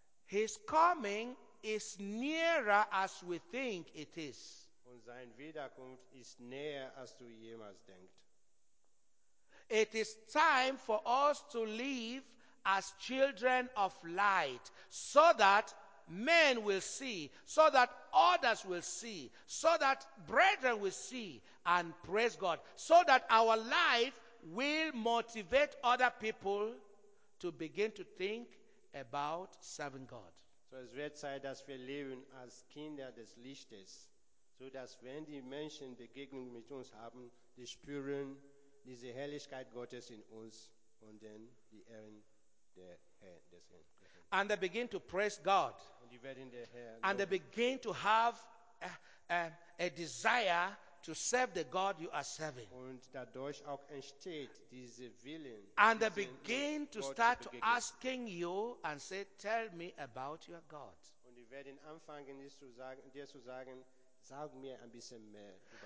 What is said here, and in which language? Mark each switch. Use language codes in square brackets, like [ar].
[en] His coming is nearer as we think it is. [de] Und sein Wiederkunft ist näher, als du jemals denkst. [en] It is time for us to live as children of light, so that men will see, so that others will see, so that brethren will see and praise God, so that our life will motivate other people to begin to think about serving God. [de] So es wird Zeit, dass wir leben als Kinder des Lichtes, so dass wenn die Menschen Begegnung mit uns haben, die spüren diese Herrlichkeit Gottes in uns und dann die Ehren der Herr des Herrn. [en] And they begin to praise God. [de] Und die werden der Herr loben. [en] And they begin to have a desire to serve the God you are serving. [de] Und dadurch auch entsteht diese Willen. [en] And they begin to start asking you and say, tell me about your God. [de] Und die werden anfangen, dir zu sagen, sag mir ein bisschen mehr über